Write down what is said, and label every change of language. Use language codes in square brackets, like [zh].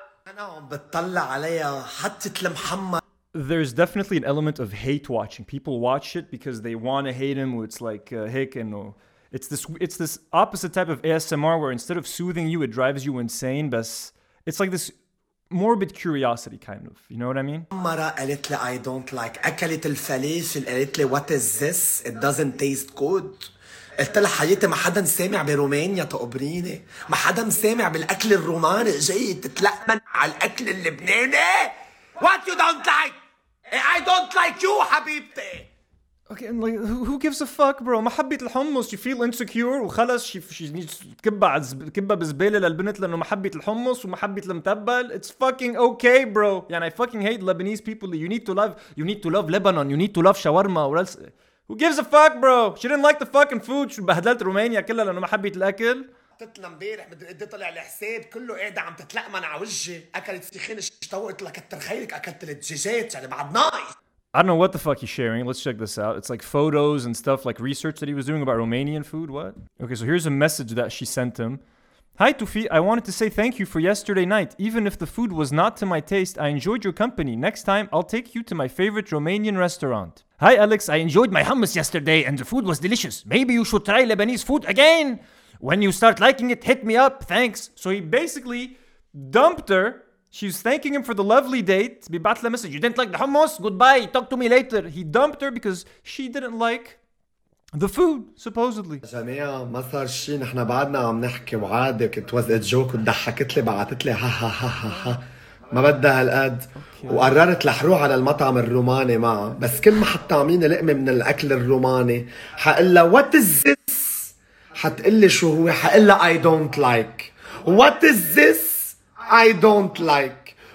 [ar] انا عم بتطلع عليها حطت المحمر. [en] There's definitely an element of hate watching. People watch it because they want to hate him. It's like hey, you know, It's this opposite type of ASMR where instead of soothing you, it drives you insane. But it's like this morbid curiosity, kind of. You know what I mean? I don't like. [ar] أكلت الفليش اللي قالت لي [en] what is this? It doesn't taste good. [ar] قلت لها حياتي ما حدا سامع برومانيا تقبريني ما حدا سامع بالأكل الروماني جاي تتلقمن على الأكل اللبناني [en] What you don't like? I don't like you حبيبتي Okay, and like, who gives a fuck, bro? [ar] ما حبيت الحمص, [en] you feel insecure, [ar] وخلص, [en] she needs [ar] كبة بزبالة للبنت لأنه ما حبيت الحمص وما حبيت المتبل. [en] It's fucking okay, bro. يعني I fucking hate Lebanese people. You need to love Lebanon. You need to love shawarma or else... Who gives a fuck, bro? She didn't like the fucking food. She [ar] بهدلت رومانيا كلها لأنه ما حبيت الأكل. تطلع مبارح بدي قدي طلع الحساب كله قاعدة عم تتلقمن على وجهي. أكلت سخينة اشتوقت لك كتر خيرك أكلت الدجاجات يعني بعد نايس. [en] I don't know what the fuck he's sharing. Let's check this out. It's like photos and stuff, like research that he was doing about Romanian food. What? Okay, so here's a message that she sent him. Hi, Tufi. I wanted to say thank you for yesterday night. Even if the food was not to my taste, I enjoyed your company. Next time, I'll take you to my favorite Romanian restaurant. Hi, Alex. I enjoyed my hummus yesterday and the food was delicious. Maybe you should try Lebanese food again. When you start liking it, hit me up. Thanks. So he basically dumped her. She's thanking him for the lovely date. Bibatla message. You didn't like the hummus? Goodbye. Talk to me later. He dumped her because she didn't like the food, supposedly. [ar] جماعة ما صار شيء نحن بعدنا عم نحكي وعادي كنت [en] was a joke [ar] وضحكت لي بعثت لي ها ها ها ها ها ما بدها هالقد وقررت لحروح على المطعم الروماني معه بس كل ما حطعمين لقمة من الأكل الروماني حقلا [en] what is this [ar] حتقلي شو هو حقلا [en] I don't like what is this I don't like.